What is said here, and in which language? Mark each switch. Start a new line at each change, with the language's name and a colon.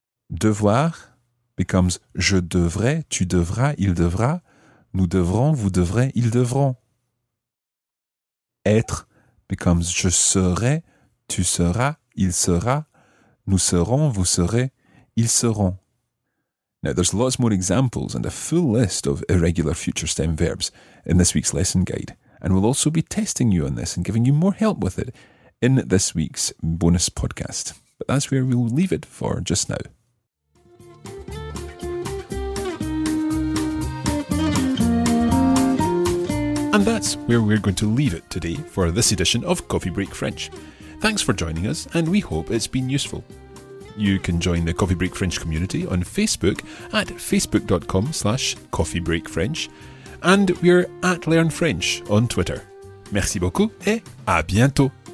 French: Devoir
English: becomes
French: je devrai, tu devras, il devra, nous devrons, vous devrez, ils devront. Être
English: becomes
French: je serai, tu seras, il sera, nous serons, vous serez, ils seront.
English: Now there's lots more examples and a full list of irregular future stem verbs in this week's lesson guide. And we'll also be testing you on this and giving you more help with it in this week's bonus podcast. But that's where we'll leave it for just now. And that's where we're going to leave it today for this edition of Coffee Break French. Thanks for joining us, and we hope it's been useful. You can join the Coffee Break French community on Facebook at facebook.com/coffeebreakfrench, and we're at Learn French on Twitter.
French: Merci beaucoup et à bientôt.